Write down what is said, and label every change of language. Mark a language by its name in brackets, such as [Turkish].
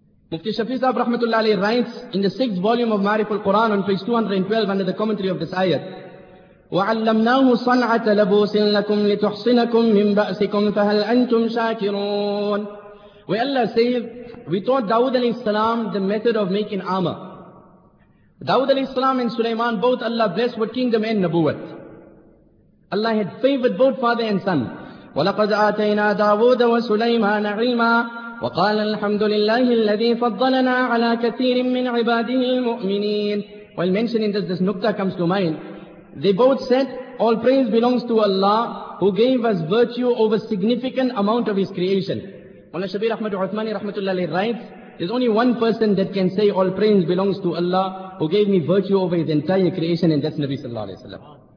[English] Mufti Shafi Sahib Rahmatullah Alayhi writes in the 6th volume of Ma'riful Quran on page 212 under the commentary of this ayat, [Arabic] وَعَلَّمْنَاهُ صَنْعَةَ لَبُوسٍ لَكُمْ لِتُحْسِنَكُمْ مِنْ بَأْسِكُمْ فَهَلْ أَنْتُمْ شَاكِرُونَ. [English] Where Allah says, we taught Dawud alayhi salam the method of making armor. Dawud alayhi salam and Sulaiman, both Allah blessed with kingdom and nabuwat. Allah had favored both father and son. [Arabic] وَلَقَدْ آتَيْنَا دَاوُودَ وَسُلَيْمَانَ عِلْمًا وَقَالَ الْحَمْدُ لِلَّهِ الَّذِي فَضَّلَنَا عَلَىٰ كَثِيرٍ مِّنْ عِبَادِهِ الْمُؤْمِنِينَ. [English] While mentioning this nukta comes to mind, They both said, all praise belongs to Allah who gave us virtue over significant amount of His creation. Mullah Shabir Ahmad Uthmani rahmatullahi writes, there's only one person that can say all praise belongs to Allah who gave me virtue over His entire creation, and that's Nabi sallallahu alayhi wa sallam.